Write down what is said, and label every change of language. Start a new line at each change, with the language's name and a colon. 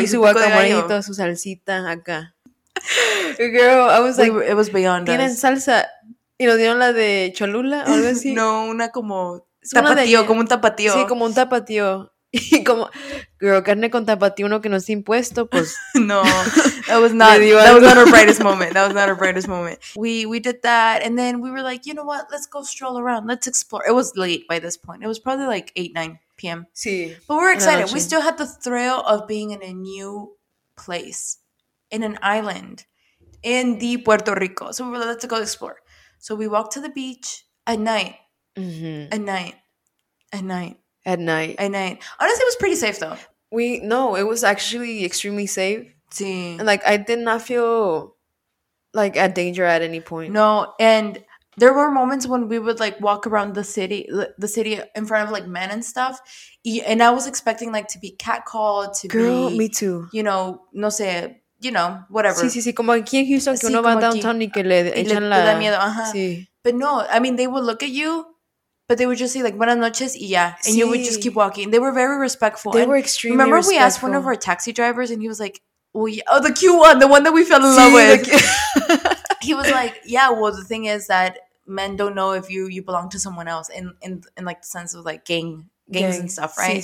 Spanish: Y su guacamolito, su salsita acá.
English: Girl, I was like... It was beyond
Spanish: ¿tienen
English: us.
Spanish: Tienen salsa... ¿Y nos dieron la de Cholula o algo así? No, una como... Como un tapatío. Sí, como un tapatío. Y como... Girl, carne con tapatío, uno que no está impuesto, pues...
English: No, that was not... That was not our brightest moment. We did that, and then we were like, you know what? Let's go stroll around. Let's explore. It was late by this point. It was probably like 8, 9 p.m.
Spanish: Sí.
English: But we were excited. We still had the thrill of being in a new place. In an island. In the Puerto Rico. So we were like, let's go explore. So we walked to the beach at night. Mm-hmm. At night. Honestly, it was pretty safe, though. It was actually extremely safe.
Spanish: Sí.
English: And, like, I did not feel, like, at danger at any point.
Spanish: No.
English: And there were moments when we would, like, walk around the city in front of, like, men and stuff. And I was expecting, like, to be catcalled, me too. You know,
Spanish: no sé...
English: You know, whatever.
Spanish: Sí. Como aquí en Houston, que sí, uno va downtown aquí, y que le echan le la... Da miedo. Uh-huh. Sí.
English: But no, I mean, they would look at you, but they would just say, like,
Spanish: buenas noches, y ya.
English: And sí. You would just keep walking. They were very respectful. They were extremely respectful. Remember we asked one of our taxi drivers, and he was like, the cute one, the one that we fell in love with. He was like, yeah, well, the thing is that men don't know if you belong to someone else in like, the sense of, like, gangs and stuff, right?